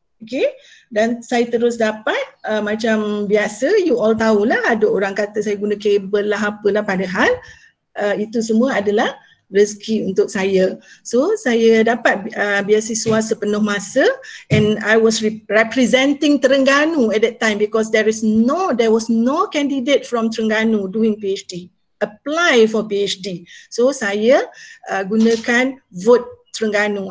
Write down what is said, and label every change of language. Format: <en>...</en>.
<ms>Okay, dan saya terus dapat macam biasa, you all tahulah, ada orang kata saya guna kabel lah apalah, padahal itu semua adalah rezeki untuk saya. So saya dapat beasiswa sepenuh masa,</ms> <en>and I was representing Terengganu at that time because there was no candidate from Terengganu doing PhD, apply for PhD.</en> <ms>So saya gunakan vote Terengganu.</ms>